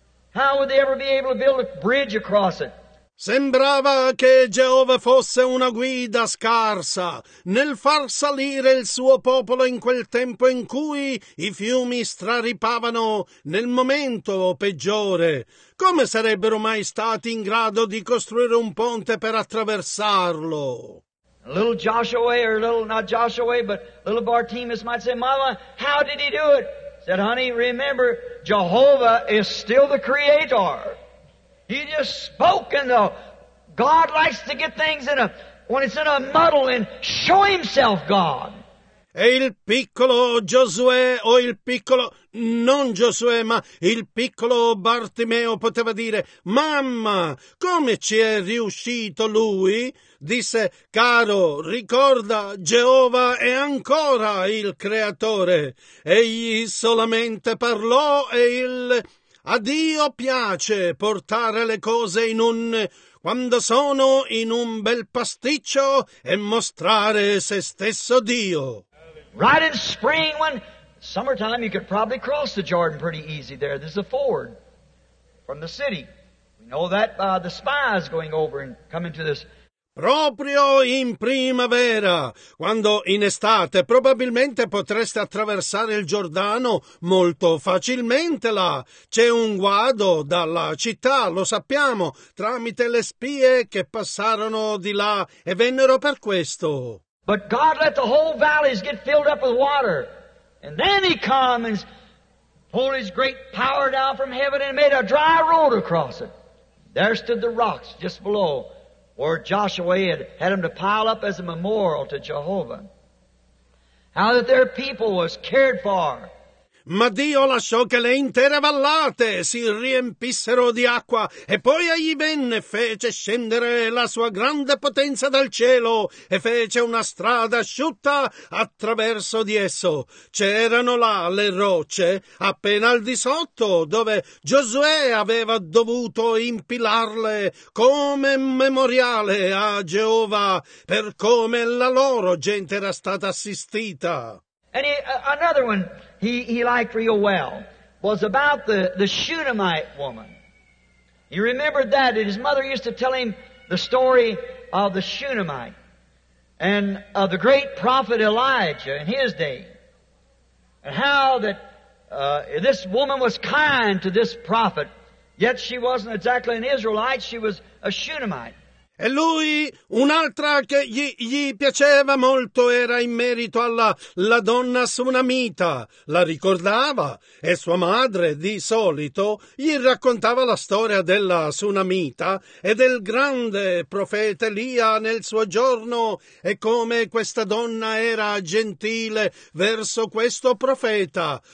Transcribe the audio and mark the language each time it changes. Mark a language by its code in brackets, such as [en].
[en] How would they ever be able to build a bridge across it? [it] Sembrava che Geova fosse una guida scarsa nel far salire il suo popolo in quel tempo in cui i fiumi straripavano nel momento peggiore. Come sarebbero mai stati in grado di costruire un ponte per attraversarlo? [en] Little Joshua, or little, not Joshua, but little Bartimaeus might say, Mama, how did he do it? Said, honey, remember, Jehovah is still the creator. He just spoken though. God likes to get things in a when it's in a muddle and show himself God. [it] E il piccolo Giosuè o il piccolo non Giosuè ma il piccolo Bartimeo poteva dire: "Mamma, come ci è riuscito lui?" Disse: "Caro, ricorda, Geova è ancora il creatore. Egli solamente parlò e il a Dio piace portare le cose in un quando sono in un bel pasticcio e mostrare se stesso Dio. [en] Right in spring, when summertime, you could probably cross the Jordan pretty easy there. There's a ford from the city. We know that by the spies going over and coming to this. [it] Proprio in primavera, quando in estate probabilmente potreste attraversare il Giordano molto facilmente là. C'è un guado dalla città, lo sappiamo, tramite le spie che passarono di là e vennero per questo. [en] But God let the whole valleys get filled up with water. And then he come and pulled his great power down from heaven and made a dry road across it. There stood the rocks just below. Where Joshua had him to pile up as a memorial to Jehovah. How that their people was cared for. [it] Ma Dio lasciò che le intere vallate si riempissero di acqua e poi egli venne e fece scendere la sua grande potenza dal cielo e fece una strada asciutta attraverso di esso. C'erano là le rocce appena al di sotto dove Giosuè aveva dovuto impilarle come memoriale a Geova per come la loro gente era stata assistita. [en] And another one he liked real well was about the Shunammite woman. He remembered that his mother used to tell him the story of the Shunammite and of the great prophet Elijah in his day. And how that this woman was kind to this prophet, yet she wasn't exactly an Israelite, she was a Shunammite. [it] E lui, un'altra che gli piaceva molto era in merito alla la donna sunamita. La ricordava e sua madre, di solito, gli raccontava la storia della sunamita e del grande profeta Elia nel suo giorno e come questa donna era gentile verso questo profeta.